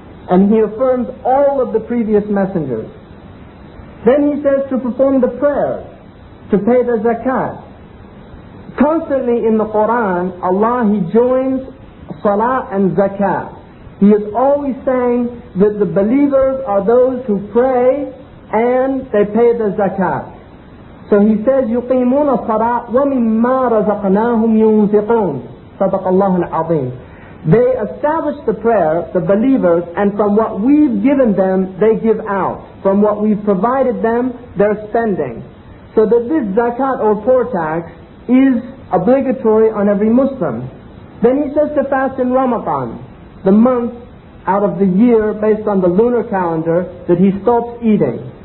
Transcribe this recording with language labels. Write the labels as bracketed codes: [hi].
[en] And he affirms all of the previous messengers. Then he says to perform the prayer, to pay the zakat. Constantly in the Quran, Allah, he joins salah and zakat. He is always saying that the believers are those who pray and they pay the zakat. So he says, [ar] يُقِيمُونَ الصَّلَاةَ وَمِمَّا رَزَقْنَاهُمْ يُنْفِقُونَ صَدَقَ اللَّهُ الْعَظِيمُ. [en] They establish the prayer, the believers, and from what we've given them, they give out. From what we've provided them, they're spending. So that this zakat or poor tax is obligatory on every Muslim. Then he says to fast in Ramadan, the month out of the year based on the lunar calendar that he stops eating.